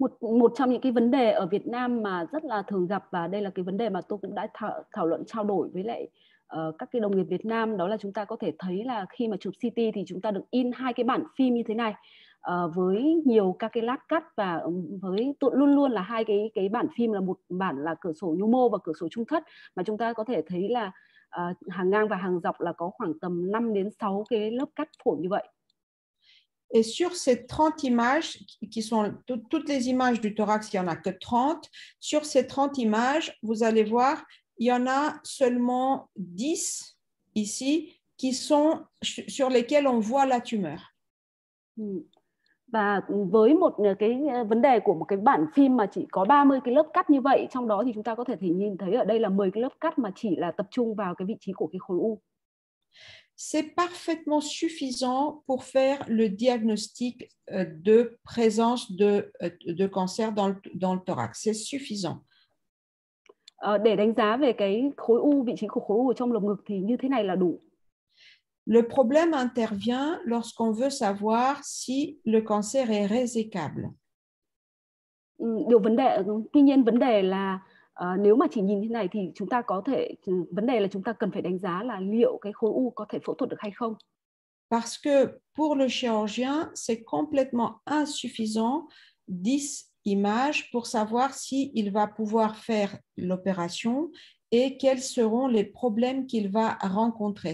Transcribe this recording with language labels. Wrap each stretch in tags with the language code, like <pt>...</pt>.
<vi>Một trong những cái vấn đề ở Việt Nam mà rất là thường gặp, và đây là cái vấn đề mà tôi cũng đã thảo luận trao đổi với lại các cái đồng nghiệp Việt Nam, đó là chúng ta có thể thấy là khi mà chụp CT thì chúng ta được in hai cái bản phim như thế này với nhiều các cái lát cắt, và với luôn luôn là hai cái bản phim, là một bản là cửa sổ nhu mô và cửa sổ trung thất, mà chúng ta có thể thấy là hàng ngang và hàng dọc là có khoảng tầm 5 đến 6 cái lớp cắt phổi như vậy.</vi> <fr>Et sur ces 30 images, qui sont toutes les images du thorax, il y en a que 30. Sur ces 30 images, vous allez voir, il y en a seulement 10 ici qui sont sur lesquelles on voit la tumeur.</fr> <vi>Và với một cái vấn đề của một cái bản phim mà chỉ có 30 cái lớp cắt như vậy, trong đó thì chúng ta có thể nhìn thấy ở đây là 10 cái lớp cắt mà chỉ là tập trung vào cái vị trí của cái khối u.</vi> <fr>C'est parfaitement suffisant pour faire le diagnostic de présence de cancer dans le thorax. C'est suffisant.</fr> <vi>Để đánh giá về cái khối u, vị trí của khối u trong lồng ngực thì như thế này là đủ.</vi> <fr>Le problème intervient lorsqu'on veut savoir si le cancer est résécable.</fr> <vi>điều vấn đề tuy nhiên vấn đề là nếu mà chỉ nhìn thế này thì chúng ta có thể vấn đề là chúng ta cần phải đánh giá là liệu cái khối u có thể phẫu thuật được hay không.</vi> <fr>Parce que pour le chirurgien, c'est complètement insuffisant 10 images pour savoir si il va pouvoir faire l'opération et quels seront les problèmes qu'il va rencontrer.</fr>